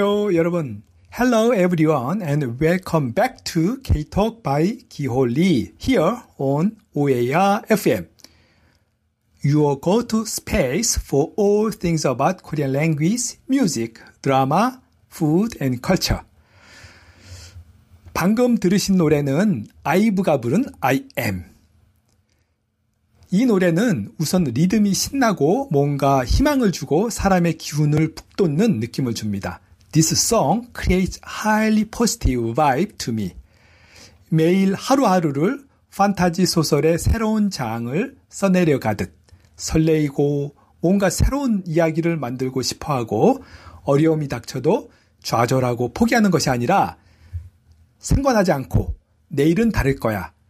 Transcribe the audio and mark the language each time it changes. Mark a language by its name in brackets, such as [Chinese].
[English] Hello everyone and welcome back to K-Talk by Giho Lee here on OAR FM. Your go-to space for all things about Korean language, music, drama, food and culture. [Korean] 방금 들으신 노래는 아이브가 부른 I Am. 이 노래는 우선 리듬이 신나고 뭔가 희망을 주고 사람의 기운을 북돋는 느낌을 줍니다. [English] This song creates highly positive vibe to me. [Korean] 매일 하루하루를 판타지 소설의 새로운 장을 써내려가듯 설레이고 뭔가 새로운 이야기를 만들고 싶어하고 어려움이 닥쳐도 좌절하고 포기하는 것이 아니라 상관하지 않고 내일은 다를 거야.